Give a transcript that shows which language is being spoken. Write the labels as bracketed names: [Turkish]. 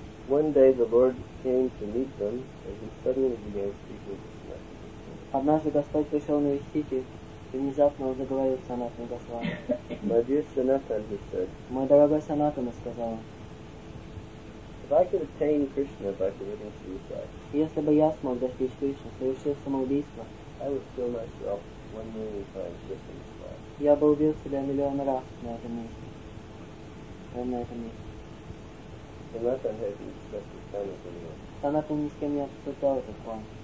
[English] One day the Lord came to meet them, and he suddenly began speaking. [Russian] Однажды Господь пришел навестить их, и внезапно он заговорил с Санатаном Госвами. [English] My dear Sanatan, he said, [Russian] мой дорогой Санатан, он сказал, [English] if I could attain Krishna by committing suicide, [Russian] если бы я смог достичь Кришны, совершив самоубийство, [English] I would kill myself 1 million times just in this life. [Russian] Я бы убил себя миллион раз на этом месте. Прямо на этом месте. [English] Sanatan had been discussing time with anyone. [Russian] Санатан ни с кем не обсуждал этот план.